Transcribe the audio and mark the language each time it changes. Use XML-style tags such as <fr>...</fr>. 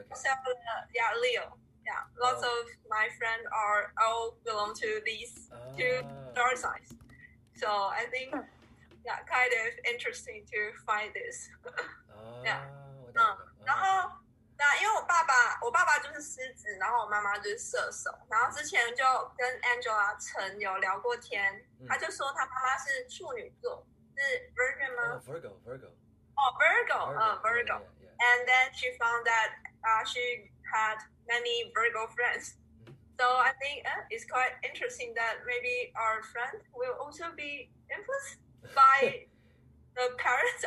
<en>so Leo，lots of my friend are all belong to these two star signs, so I think, kind of interesting to find this,</en> <zh>我懂了。然后因为我爸爸就是狮子，然后我妈妈就是射手，然后之前就跟 Angela 曾有聊过天，他就说他妈妈是处女座。是 Virgin 吗？</zh> <en>哦，Virgo，Virgo，Virgo，哦，Virgo，Virgo。 yeah。 And then she found that she had many Virgo friends. So I think it's quite interesting that maybe our friend will also be influenced by the parents.</en>